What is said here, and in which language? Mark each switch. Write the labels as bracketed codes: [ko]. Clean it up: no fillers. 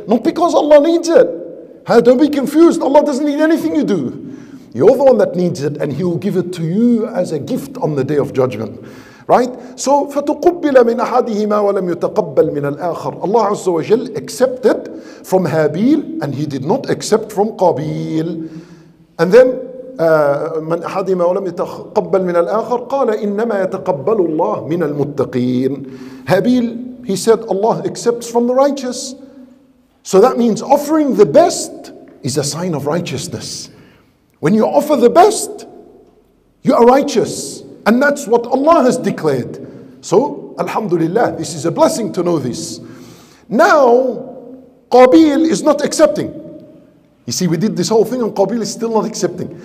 [en] Not because Allah needs it. Don't be confused. Allah doesn't need anything you do. You're the one that needs it, and He will give it to you as a gift on the Day of Judgment. Right? So, [ar] فَتُقُبِّلَ مِنْ أَحَدِهِمَا وَلَمْ يُتَقَبَّلْ مِنَ الْآخَرِ [en] Allah Azza wa Jal accepted from Habil, and He did not accept from Qabil. And then, [ar] مَنْ أَحَدِهِمَا وَلَمْ يُتَقَبَّلْ مِنَ الْآخَرِ قَالَ إِنَّمَا يَتَقَبَّلُ اللَّهُ مِنَ الْمُتَّقِينَ [en] Habil, he said, Allah accepts from the righteous. So that means offering the best is a sign of righteousness. When you offer the best, you are righteous. And that's what Allah has declared. So, alhamdulillah, this is a blessing to know this. Now, Qabil is not accepting. You see, we did this whole thing and Qabil is still not accepting.